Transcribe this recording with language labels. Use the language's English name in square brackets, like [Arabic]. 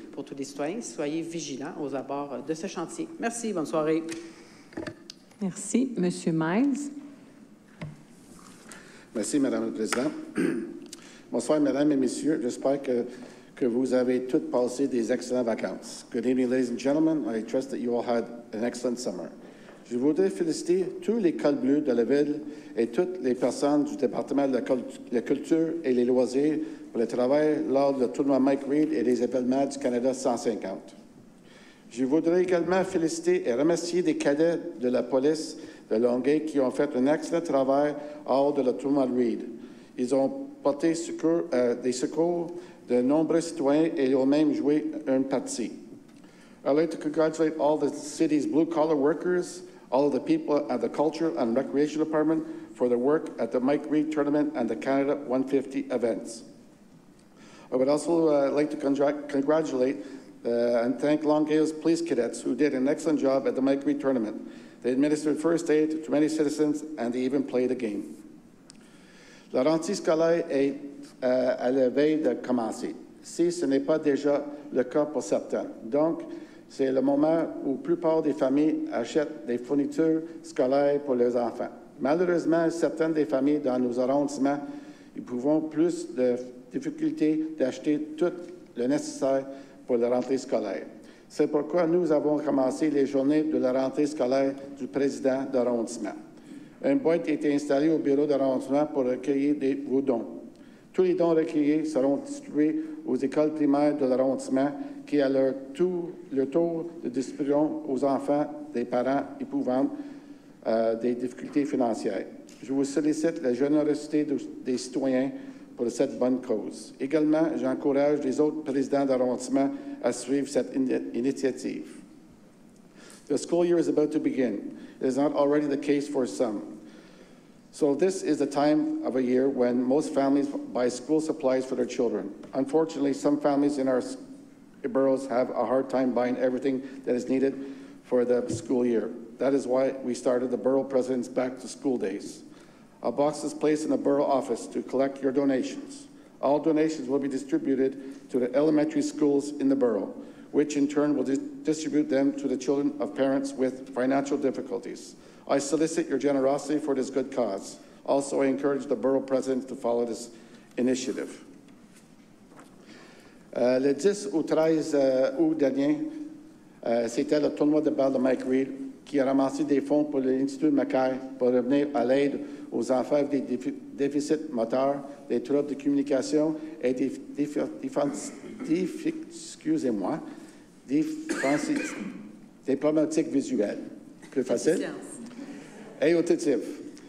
[French] Pour tous les citoyens, soyez vigilants aux abords de ce chantier. Merci, bonne soirée. Merci. Monsieur Miles. Merci, Madame la Présidente. Bonsoir, Mesdames et Messieurs. J'espère que vous avez toutes passé des excellentes vacances. [English] Good evening, ladies and gentlemen. I trust that you all had an excellent summer. [French] Je voudrais féliciter tous les cols bleus de la ville et toutes les personnes du département de la culture et les loisirs pour le travail lors du tournoi Mike Reed et des événements du Canada 150. Je voudrais également féliciter et remercier des cadets de la police de Longueuil qui ont fait un excellent travail hors de la tournoi Reed. Ils ont porté secours de nombreux citoyens et ont même joué une partie. [English] I'd like to congratulate all the city's blue-collar workers, all of the people at the Culture and Recreation Department for their work at the Mike Reed Tournament and the Canada 150 events. I would also like to congratulate and thank Longueuil's police cadets who did an excellent job at the Mike Reed Tournament. They administered first aid to many citizens and they even played a game. [French] La rentrée scolaire est à la veille de commencer, si ce n'est pas déjà le cas pour certains. Donc, c'est le moment où la plupart des familles achètent des fournitures scolaires pour leurs enfants. Malheureusement, certaines des familles dans nos arrondissements éprouvent plus de difficultés d'acheter tout le nécessaire pour la rentrée scolaire. C'est pourquoi nous avons commencé les journées de la rentrée scolaire du président d'arrondissement. Une boîte a été installée au bureau d'arrondissement pour recueillir vos dons. Tous les dons recueillis seront distribués aux écoles primaires de l'arrondissement qui a le tour de distribution aux enfants des parents éprouvant des difficultés financières. Je vous sollicite la générosité des citoyens pour cette bonne cause. Également, j'encourage les autres présidents d'arrondissement à suivre cette initiative. [English] The school year is about to begin. It is not already the case for some. So this is the time of a year when most families buy school supplies for their children. Unfortunately, some families in our boroughs have a hard time buying everything that is needed for the school year. That is why we started the borough president's back to school days. A box is placed in the borough office to collect your donations. All donations will be distributed to the elementary schools in the borough, which in turn will distribute them to the children of parents with financial difficulties. I solicit your generosity for this good cause. Also, I encourage the borough president to follow this initiative. [French] Le 10 au 13 août dernier, c'était le tournoi de balle de Mike Reed qui a ramassé des fonds pour l'Institut Mackay pour revenir à l'aide aux enfants avec des déficits moteurs, des troubles de communication et des des problématiques visuelles. Plus facile. Et auditives.